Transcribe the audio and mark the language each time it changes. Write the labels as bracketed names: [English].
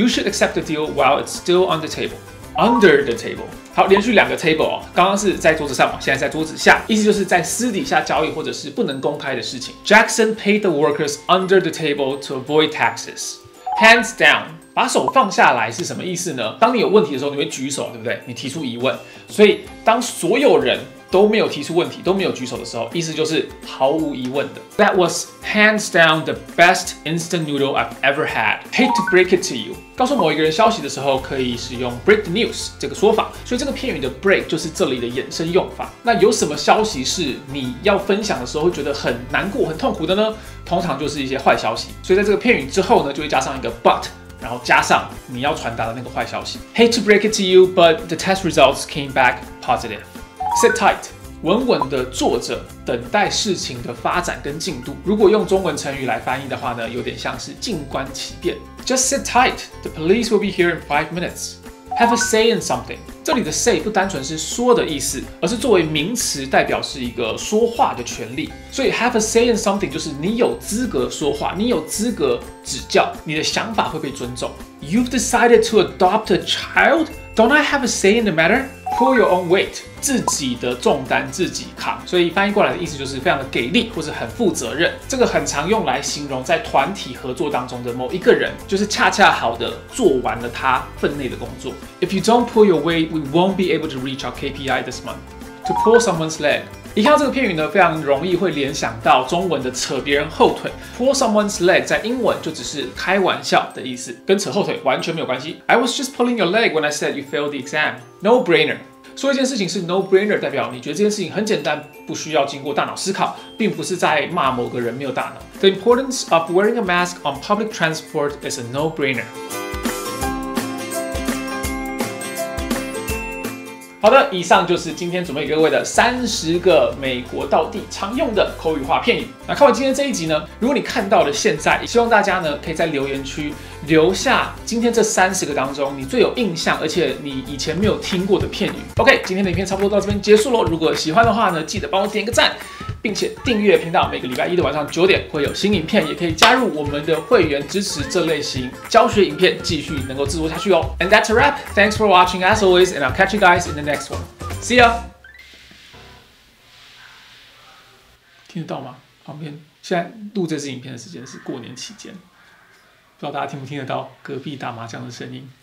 [English] You should accept the deal while it's still on the table。 Under the table， [Chinese] 好，连续两个 table 哦，刚刚是在桌子上嘛，现在在桌子下，意思就是在私底下交易或者是不能公开的事情。 [English] Jackson paid the workers under the table to avoid taxes. Hands down， [Chinese] 把手放下来是什么意思呢？当你有问题的时候，你会举手，对不对？你提出疑问，所以当所有人都没有提出问题，都没有举手的时候，意思就是毫无疑问的。 [English] That was hands down the best instant noodle I've ever had. Hate to break it to you. [Chinese] 告诉某一个人消息的时候，可以使用 [English] break the news [Chinese] 这个说法。所以这个片语的 break 就是这里的衍生用法。那有什么消息是你要分享的时候会觉得很难过、很痛苦的呢？通常就是一些坏消息。所以在这个片语之后呢，就会加上一个 but。然后加上你要传达的那个坏消息。 [English] Hate to break it to you, but the test results came back positive. Sit tight， [Chinese] 稳稳的坐着，等待事情的发展跟进度。如果用中文成语来翻译的话呢，有点像是静观其变。 [English] Just sit tight, the police will be here in 5 minutes. Have a say in something。 [Chinese] 这里的 say 不单纯是说的意思，而是作为名词代表是一个说话的权利。所以 [English] have a say in something [Chinese] 就是你有资格说话，你有资格指教，你的想法会被尊重。 [English] You've decided to adopt a child? Don't I have a say in the matter? Pull your own weight， [Chinese] 自己的重担自己扛。所以翻译过来的意思就是非常的给力或是很负责任。这个很常用来形容在团体合作当中的某一个人，就是恰恰好的做完了他分内的工作。 [English] If you don't pull your weight, we won't be able to reach our KPI this month. To pull someone's leg。 [Chinese] 一看到这个片语呢，非常容易会联想到中文的扯别人后腿。 [English] Pull someone's leg [Chinese] 在英文就只是开玩笑的意思，跟扯后腿完全没有关系。 [English] I was just pulling your leg when I said you failed the exam. No brainer。 [Chinese] 说一件事情是 no brainer， 代表你觉得这件事情很简单，不需要经过大脑思考，并不是在骂某个人没有大脑。 [English] The importance of wearing a mask on public transport is a no brainer. [Chinese] 好的，以上就是今天准备给各位的30个美国道地常用的口语化片语。那看完今天这一集呢，如果你看到了现在，希望大家呢可以在留言区留下今天这30个当中你最有印象，而且你以前没有听过的片语。 OK， 今天的影片差不多到这边结束喽。如果喜欢的话呢，记得帮我点个赞，并且订阅频道，每个礼拜一的晚上9点会有新影片，也可以加入我们的会员支持这类型教学影片，继续能够制作下去哦。 [English] And that's a wrap. Thanks for watching as always, and I'll catch you guys in the next one. See ya. [Chinese] 听得到吗？旁边现在录这支影片的时间是过年期间，不知道大家听不听得到隔壁打麻将的声音。